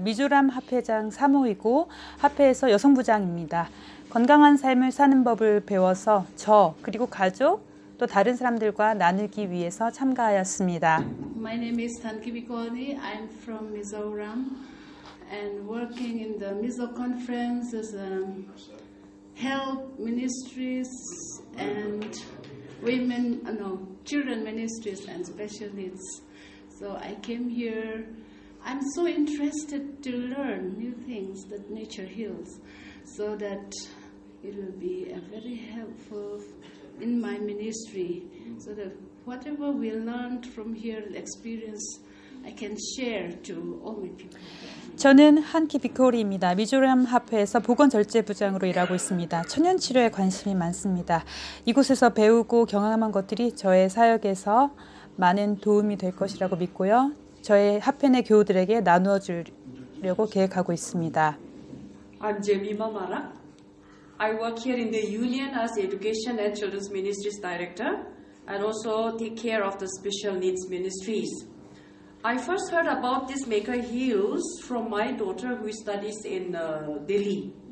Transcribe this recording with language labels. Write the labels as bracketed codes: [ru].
[ko] 미주람 합회장 사모이고 합회에서 여성 부장입니다. 건강한 삶을 사는 법을 배워서 저 그리고 가족 또 다른 사람들과 나누기 위해서 참가하였습니다. [en] My name is Tan Kibikoni. I'm from Mizoram and working in the Mizo conference as a health ministries and women no children ministries and special needs. So I came here. I'm so interested to learn new things that nature heals so that it will be very helpful in my ministry so that whatever we learned from here, the experience, I can share to all my people. [ko] 저는 한키 비코리입니다. 미조람 합회에서 보건절제부장으로 일하고 있습니다. 천연치료에 관심이 많습니다. 이곳에서 배우고 경험한 것들이 저의 사역에서 많은 도움이 될 것이라고 믿고요. 저의 합회 내 교우들에게 나누어 주려고 계획하고 있습니다. [en] I'm Jemima Mara. I work here in the union as education and children's ministries director and also take care of the special needs ministries. I first heard about this Maker Heals from my daughter who studies in Delhi.